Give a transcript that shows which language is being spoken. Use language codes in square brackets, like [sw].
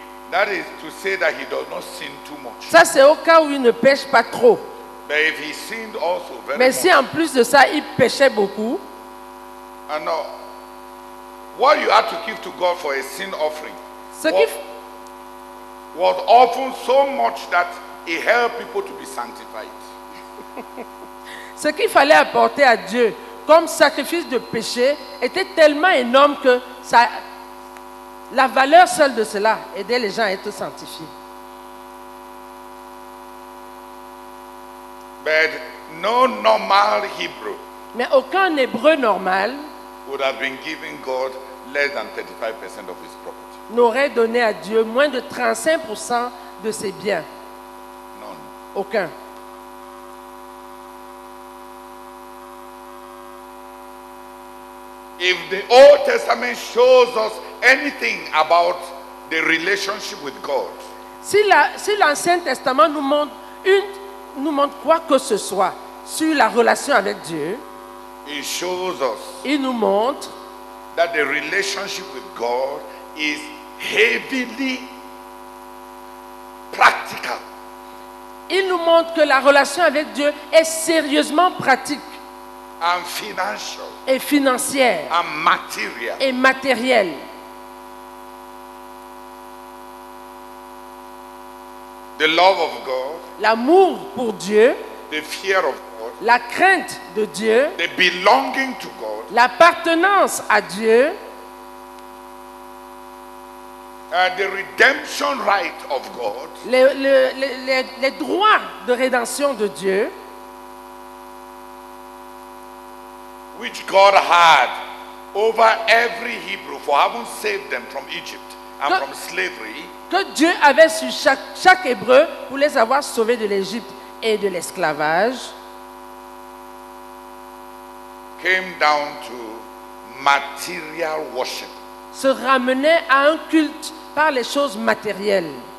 [en] That is to say that he does not sin too much. [fr] Ça c'est au cas où il ne pêche pas trop. [en] But if he sinned also very [fr] Mais [en] much. [fr] Si en plus de ça il péchait beaucoup. [en] And now, what you had to give to God for a sin offering was often so much that it helped people to be sanctified. [fr] Ce qu'il fallait apporter à Dieu comme sacrifice de péché était tellement énorme que ça, la valeur seule de cela aidait les gens à être sanctifiés. [en] But no normal Hebrew. [fr] Mais aucun Hébreu normal [en] would have been giving God less than 35% of his property. [fr] N'aurait donné à Dieu moins de 35% de ses biens. [en] None. [fr] Aucun. [en] If the Old Testament shows us anything about the relationship with God, [fr] si l'Ancien Testament nous montre quoi que ce soit sur la relation avec Dieu, [en] it shows us [fr] il nous montre [en] that the relationship with God is heavily practical. [fr] Il nous montre que la relation avec Dieu est sérieusement pratique. [en] And financial. [fr] Et financière. [en] And material. [fr] Et matérielle. [en] The love of God. [fr] L'amour pour Dieu. [en] The fear of God. [fr] La crainte de Dieu. [en] The belonging to God. [fr] L'appartenance à Dieu. [en] The redemption right of God. [fr] Les droits de rédemption de Dieu. [en] Which God had over every Hebrew for having saved them from Egypt and from slavery. [fr] Que Dieu avait sur chaque Hébreu pour les avoir sauvés de l'Égypte et de l'esclavage. [en] Came down to material worship. [fr] Se ramenait à un culte par les choses matérielles.